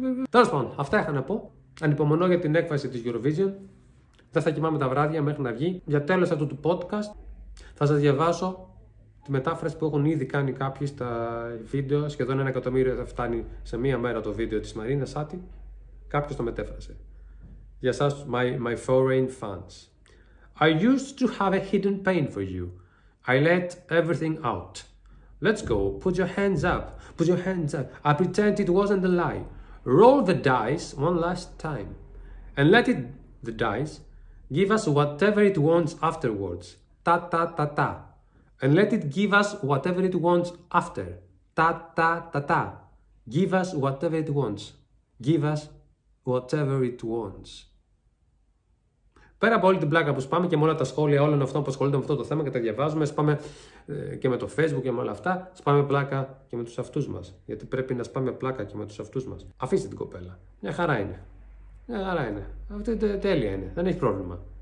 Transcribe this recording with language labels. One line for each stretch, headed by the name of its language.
Greek: Τέλος πάντων, αυτά είχα να πω. Ανυπομονώ για την έκφραση της Eurovision. Δεν θα κοιμάμαι τα βράδια μέχρι να βγει. Για τέλος αυτού του podcast. Θα σας διαβάσω τη μετάφραση που έχουν ήδη κάνει κάποιοι στα βίντεο. Σχεδόν 1 εκατομμύριο θα φτάνει σε μία μέρα το βίντεο της Μαρίνα Σάτι. Κάποιος το μετέφρασε. Για εσάς,
English: my foreign fans. I used to have a hidden pain for you. I let everything out. Let's go. Put your hands up. Put your hands up. I pretend it wasn't a lie. Roll the dice one last time. And let it, the dice, give us whatever it wants afterwards. Ta ta ta ta. And let it give us whatever it wants after. Ta ta ta ta. Give us whatever it wants. Give us whatever it wants.
Greek: Πέρα από όλη την πλάκα που σπάμε και με όλα τα σχόλια όλων αυτών που ασχολούνται με αυτό το θέμα και τα διαβάζουμε, σπάμε και με το Facebook και με όλα αυτά, σπάμε πλάκα και με τους αυτούς μας. Γιατί πρέπει να σπάμε πλάκα και με τους αυτούς μας. Αφήστε την κοπέλα. Μια χαρά είναι. Αυτή τέλεια είναι. Δεν έχει πρόβλημα.